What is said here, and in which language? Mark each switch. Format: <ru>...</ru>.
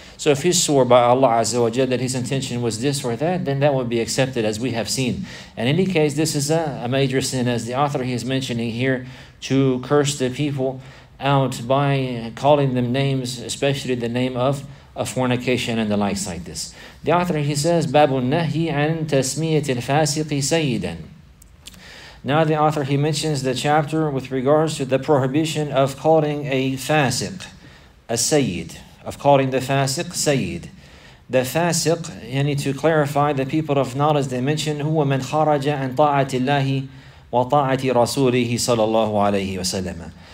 <en>So if he swore by Allah Azza wa Jalla that his intention was this or that, then that would be accepted, as we have seen. In any case, this is a major sin, as the author he is mentioning here, to curse the people out by calling them names, especially the name of a fornication and the likes like this. The author, he says,</en> <ar>بَابُ النَّهِي عَنْ تَسْمِيَةِ الْفَاسِقِ سَيِّدًا.</ar> <en>Now the author, he mentions the chapter with regards to the prohibition of calling a fasiq, a sayyid, of calling the fasiq sayyid. The fasiq, I need to clarify, the people of knowledge, they mention,</en> <ar>هُوَ مَنْ خَرَجَ عَنْ طَاعَةِ اللَّهِ وَطَاعَةِ رَسُولِهِ صَلَى اللَّهُ عَلَيْهِ وَسَلَّمَ.</ar>